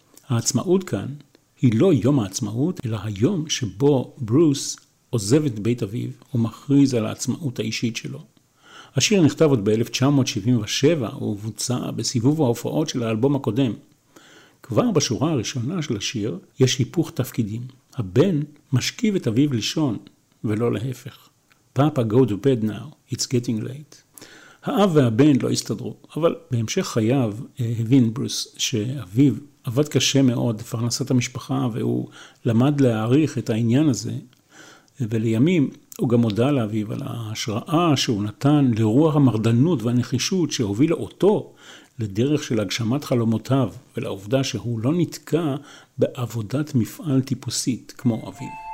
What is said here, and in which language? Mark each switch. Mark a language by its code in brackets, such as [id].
[he] העצמאות כאן היא לא יום העצמאות, אלא היום שבו ברוס עוזב את בית אביו ומכריז על העצמאות האישית שלו. השיר נכתב עוד ב-1977 ובוצע בסיבוב ההופעות של האלבום הקודם. כבר בשורה הראשונה של השיר יש היפוך תפקידים. הבן משכיב את אביו לישון ולא להפך. [en] Papa, go to bed now, it's getting late. [he] האב והבן לא הסתדרו, אבל בהמשך חייו הבין ברוס שאביו עבד קשה מאוד לפרנסת המשפחה והוא למד להעריך את העניין הזה, ולימים הוא גם הודע לאביו על ההשראה שהוא נתן לרוח המרדנות והנחישות שהובילה אותו לדרך של הגשמת חלומותיו ולעובדה שהוא לא נתקע בעבודת מפעל טיפוסית כמו אביו.